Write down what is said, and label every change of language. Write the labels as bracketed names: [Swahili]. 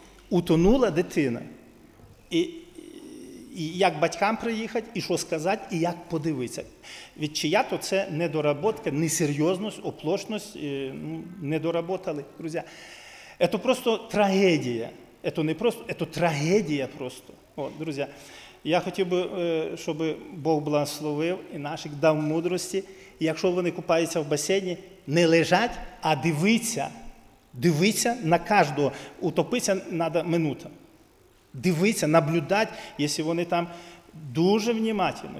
[Ukrainian] Утонула дитина. І як батькам приїхати, і що сказати, і як подивитися. Від чия то це недоработка, несерйозність, оплошність, недоработали, друзі. Це просто трагедія. [Russian] Это не просто, это трагедія просто. [Ukrainian] От, друзі, я хотів би, щоб Бог благословив і наших дав мудрості. І якщо вони купаються в басейні, не лежать, а дивиться. Дивиться на кожного. Утопитися треба минута. Дивиться, наблюдати, якщо вони там дуже внимательно.